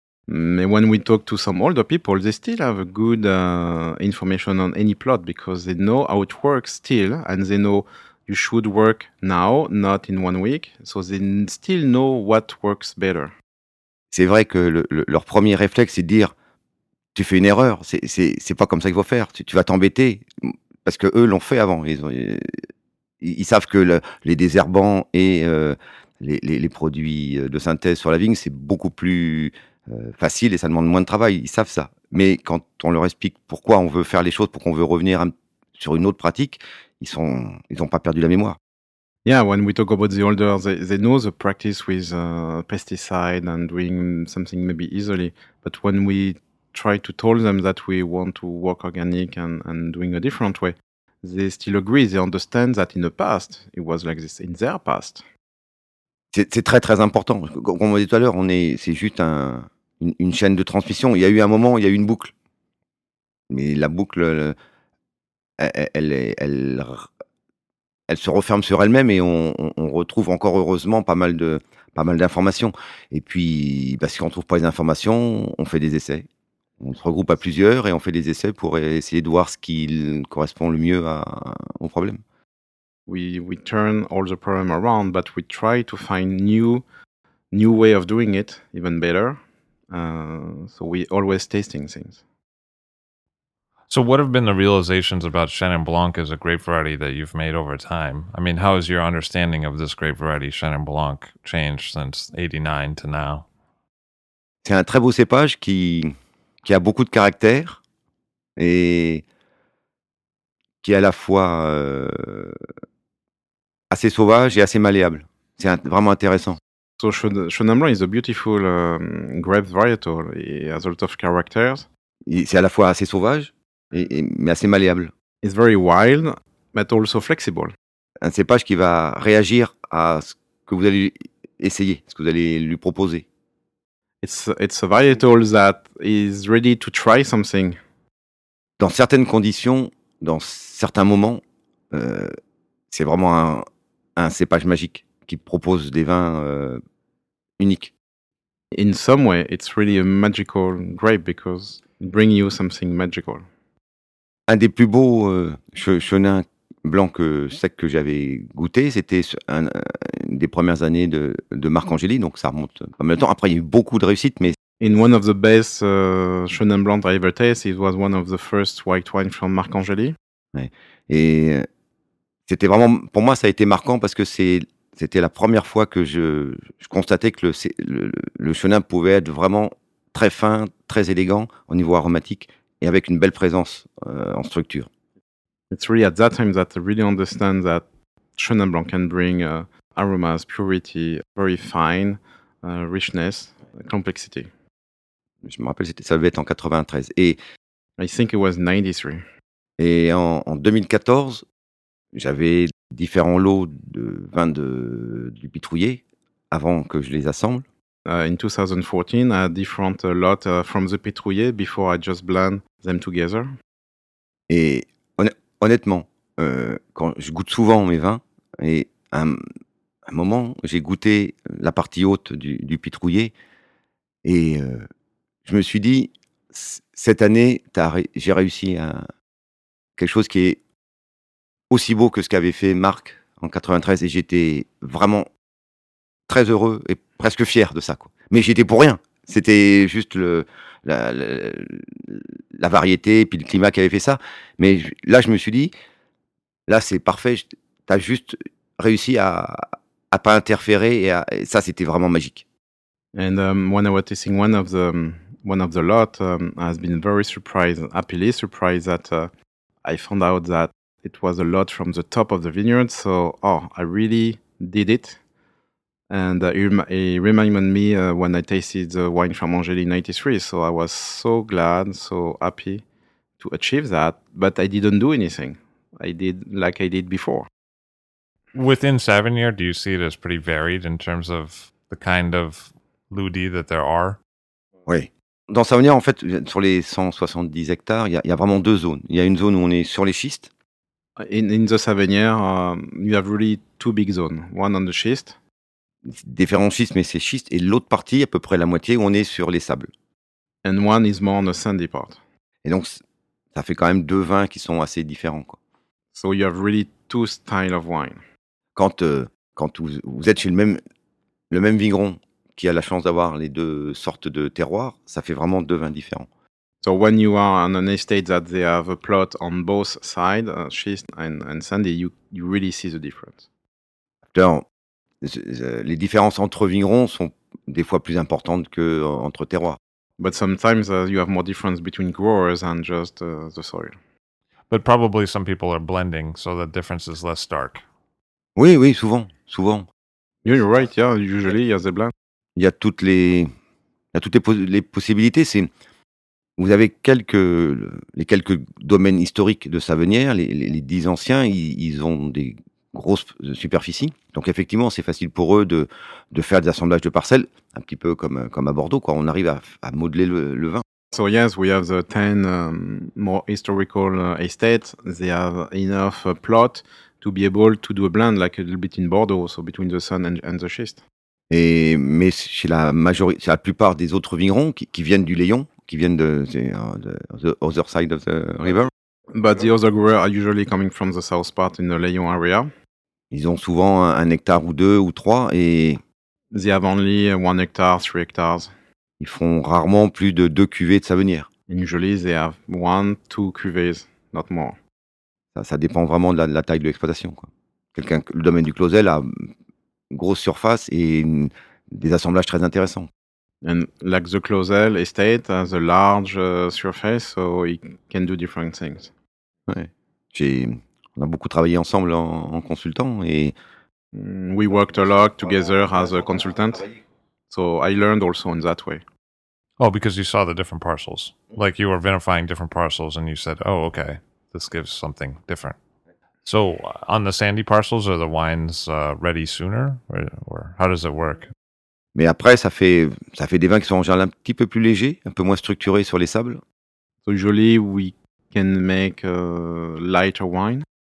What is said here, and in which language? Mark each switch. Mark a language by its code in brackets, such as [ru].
[en] Mais when we talk to some older people, they still have a good information on any plot because they know how it works still, and they know you should work now, not in 1 week. So they still know what works better. [fr] C'est vrai que leur premier réflexe est de dire, tu fais une erreur, c'est pas comme ça qu'il faut faire, tu vas t'embêter. Parce qu'eux l'ont fait avant. Ils savent que les désherbants et les produits de synthèse sur la vigne, c'est beaucoup plus facile et ça demande moins de travail. Ils savent ça. Mais quand on leur explique pourquoi on veut faire les choses, pourquoi on veut revenir sur une autre pratique, ils n'ont pas perdu la mémoire. [en] Yeah, when we talk about the older, they know the practice with pesticide and doing something maybe easily. But when we try to tell them that we want to work organic and doing a different way, they still agree, they understand that in the past, it was like this, in their past. [fr] C'est très très important. Comme on dit tout à l'heure, c'est juste une chaîne de transmission. Il y a eu un moment, il y a eu une boucle. Mais la boucle, elle se referme sur elle-même et on retrouve encore heureusement pas mal d'informations. Et puis, parce qu'on ne trouve pas les informations, on fait des essais. On se regroupe à plusieurs et on fait des essais pour essayer de voir ce qui correspond le mieux au problème. [en] We turn all the problem around, but we try to find new way of doing it even better. So we always tasting things. So what have been the realizations about Chenin Blanc as a grape variety that you've made over time? I mean, how has your understanding of this grape variety Chenin Blanc changed since 89 to now? [fr] C'est un très beau cépage qui a beaucoup de caractère et qui est à la fois assez sauvage et assez malléable. C'est vraiment intéressant. [en] So Chenin Blanc is a beautiful grape varietal. It has a lot of characters. [fr] C'est à la fois assez sauvage mais assez malléable. [en] It's very wild, but also flexible. [fr] Un cépage qui va réagir à ce que vous allez essayer, ce que vous allez lui proposer. [en] It's a varietal that is ready to try something. [fr] Dans certaines conditions, dans certains moments, c'est vraiment un cépage magique qui propose des vins uniques. [en] In some way, it's really a magical grape because it brings you something magical. [fr] Un des plus beaux chenins blancs secs que j'avais goûté, c'était une des premières années de Marc Angéli, donc ça remonte pas mal de temps. Après, il y a eu beaucoup de réussites, mais... [en] In one of the best Chenin Blanc I ever taste, it was one of the first white wine from Marc Angéli. [fr] Ouais. Et c'était vraiment, pour moi, ça a été marquant parce que c'était la première fois que je constatais que le Chenin pouvait être vraiment très fin, très élégant au niveau aromatique et avec une belle présence en structure. [en] It's really at that time that I really understand that Chenin Blanc can bring aromas, purity, very fine, richness, complexity. [fr] Je me rappelle, ça devait être en 93. [en] I think it was 93. [fr] Et en 2014, j'avais différents lots de vins du Pitrouillet avant que je les assemble. [en] In 2014, I had different lot from the Pitrouillet before I just blend them together. [fr] Et honnêtement, quand je goûte souvent mes vins, et à un moment, j'ai goûté la partie haute du Pitrouillet, et je me suis dit, cette année, j'ai réussi à quelque chose qui est aussi beau que ce qu'avait fait Marc en 93, et j'étais vraiment très heureux et presque fier de ça, quoi. Mais j'étais pour rien. C'était juste la variété et puis le climat qui avait fait ça. Mais là, je me suis dit, là, c'est parfait. T'as juste réussi à pas interférer et ça, c'était vraiment magique. [en] And when I was tasting one of the lot, has been very surprised, happily surprised that I found out that it was a lot from the top of the vineyard. So, I really did it. And it reminded me when I tasted the wine from Angéli in 93. So I was so glad, so happy to achieve that. But I didn't do anything. I did like I did before. Within Savignier, do you see it as pretty varied in terms of the kind of Loudi that there are? [fr] Oui. Dans Savignier, en fait, sur les 170 hectares, il y a vraiment deux zones. Il y a une zone où on est sur les schistes. [en] In the Savignier, you have really two big zones. One on the schist. [fr] Différents schistes, mais c'est schiste, et l'autre partie, à peu près la moitié, on est sur les sables. [en] And one is more on the sandy part. [fr] Et donc, ça fait quand même deux vins qui sont assez différents, quoi. [en] So you have really two styles of wine. [fr] Quand vous êtes chez le même vigneron qui a la chance d'avoir les deux sortes de terroirs, ça fait vraiment deux vins différents. [en] So when you are on an estate that they have a plot on both sides, schiste and sandy, you really see the difference. [fr] Alors, les différences entre vignerons sont des fois plus importantes que entre terroirs. [en] But sometimes you have more difference between growers and just the soil. But probably some people are blending, so the difference is less stark. [fr] Oui, oui, souvent. [en] You're right. Yeah, usually yeah, they blend. [fr] Il y a toutes les possibilités. C'est vous avez quelques domaines historiques de Savignier, les 10 anciens, ils ont des grosse superficie. Donc effectivement, c'est facile pour eux de faire des assemblages de parcelles, un petit peu comme à Bordeaux, quoi. On arrive à modeler le vin. [en] So yes, we have the 10 more historical estates. They have enough plot to be able to do a blend, like a little bit in Bordeaux, so between the sun and the schist. [fr] Et, mais chez la majorité, chez la plupart des autres vignerons qui viennent du Léon, qui viennent de [en] the other side of the river. But the other growers are usually coming from the south part in the Léon area. [fr] Ils ont souvent un hectare ou deux ou trois et... [en] They have only 1 hectare, 3 hectares. [fr] Ils font rarement plus de 2 cuvées de Savenir. [en] Usually they have 1-2 cuvées, not more. [fr] Ça dépend vraiment de la taille de l'exploitation. Quoi. Quelqu'un, le domaine du Clausel a grosse surface et des assemblages très intéressants. [en] And like the Clausel estate has a large surface, so it can do different things. [fr] Ouais. On a beaucoup travaillé ensemble en consultant et... [en] We worked a lot together as a consultant. So I learned also in that way. Oh, because you saw the different parcels. Like you were verifying different parcels and you said, oh, okay, this gives something different. So on the sandy parcels, are the wines ready sooner? Or how does it work? [fr] Mais après, ça fait des vins qui sont en général un petit peu plus légers, un peu moins structurés sur les sables. [en] So usually we can make a lighter wine.